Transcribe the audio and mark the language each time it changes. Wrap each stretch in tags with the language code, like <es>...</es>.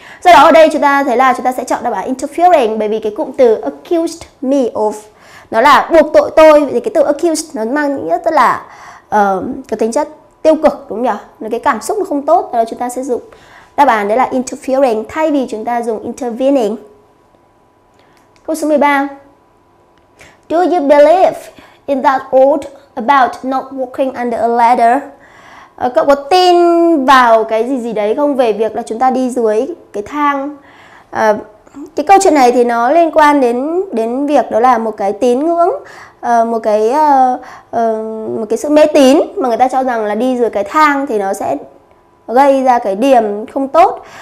<vi>Do đó ở đây chúng ta thấy là chúng ta sẽ chọn đáp án interfering, bởi vì cái cụm từ</vi> <en>accused me of</en> <vi>nó là buộc tội tôi, thì cái từ accused nó mang nghĩa rất là cái tính chất tiêu cực, đúng không nhỉ? Nó cái cảm xúc nó không tốt, rồi chúng ta sẽ dùng đáp án đấy là interfering thay vì chúng ta dùng intervening. Câu số 13.</vi> <en>Do you believe in that old about not walking under a ladder?</en> <vi>Cậu có tin vào cái gì gì đấy không, về việc là chúng ta đi dưới cái thang? Cái câu chuyện này thì nó liên quan đến đến việc đó là một cái tín ngưỡng, một cái sự mê tín mà người ta cho rằng là đi dưới cái thang thì nó sẽ gây ra cái điểm không tốt.</vi>